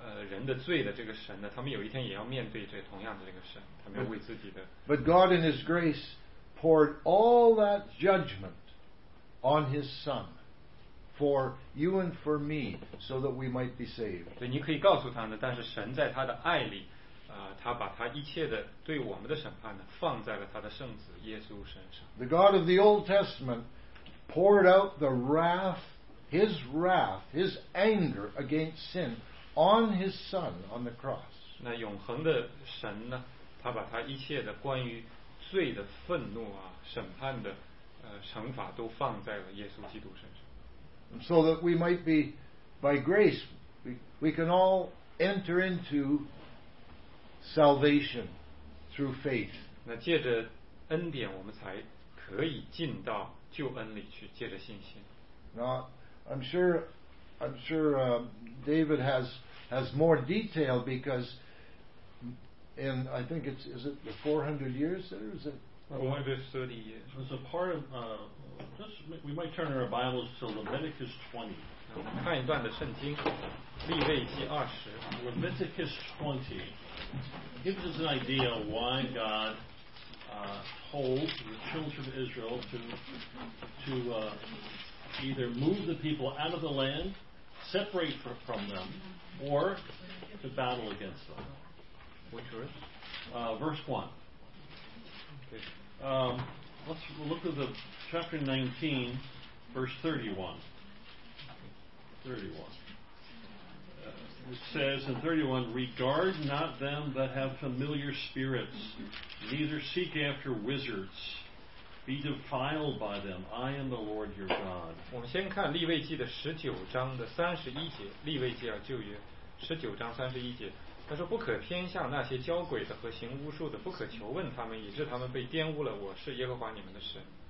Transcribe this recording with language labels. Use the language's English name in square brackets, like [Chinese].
[Chinese] 人的罪的这个神呢，他们有一天也要面对这同样的这个神，他们要为自己的。 [English] But God in His grace poured all that judgment on His Son for you and for me, so that we might be saved. [Chinese] 对，你可以告诉他呢，但是神在他的爱里，他把他一切的对我们的审判呢，放在了他的圣子耶稣身上。 [English] The God of the Old Testament poured out the wrath, His anger against sin. On His Son on the cross. [Chinese] 那永恒的神呢？他把他一切的关于罪的愤怒啊、审判的惩罚都放在了耶稣基督身上。 [English] So that we might be by grace, we can all enter into salvation through faith. [Chinese] 那借着恩典，我们才可以进到救恩里去，借着信心。 [English] Now, I'm sure David has more detail because in I think it's is it the 400 years or is it 430 years? It's a part of just we might turn our Bibles to Leviticus 20. [Chinese] 看一段的圣经，利未记二十。 [English] Leviticus 20 gives us an idea of why God told the children of Israel to either move the people out of the land, separate from them, or to battle against them. Which verse? Verse 1. Okay. Let's look at the chapter 19, verse 31. 31. It says in 31, regard not them that have familiar spirits, neither seek after wizards. Be defiled by them. I am the Lord your God. [Chinese] 我们先看利未记的十九章的三十一节，利未记啊，旧约十九章三十一节，他说不可偏向那些交鬼的和行巫术的，不可求问他们，以致他们被玷污了。我是耶和华你们的神。